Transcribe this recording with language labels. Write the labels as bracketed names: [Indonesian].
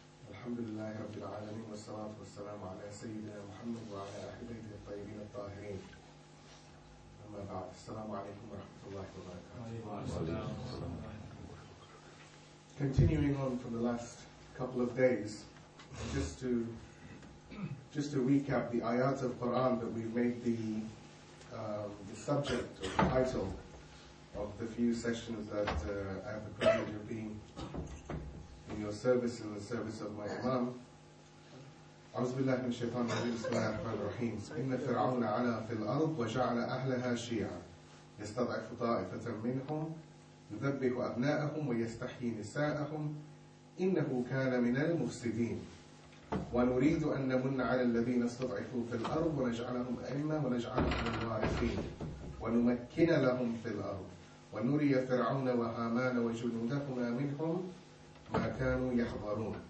[Arabic] الحمد لله رب العالمين، والصلاة والسلام على سيدنا محمد وعلى آله الطيبين الطاهرين. أما بعد، السلام عليكم ورحمة الله وبركاته. [English] Continuing on from the last couple of days, just to recap the ayat of Quran that we've made the subject or the title of the few sessions that I have the privilege of being in your service, in the service of my Imam. [Arabic] أعوذ بالله من الشيطان الرجيم. بسم الله الرحمن الرحيم. إن فرعون علا في الأرض وجعل أهلها شيعا يستضعف طائفة منهم يذبح أبناءهم ويستحيي نساءهم إنه كان من المفسدين ونريد أن نمن على الذين استضعفوا في الأرض ونجعلهم أئمة ونجعلهم الوارثين ونمكن لهم في الأرض ونري فرعون وهامان وجنودهما منهم ما كانوا يحضرون.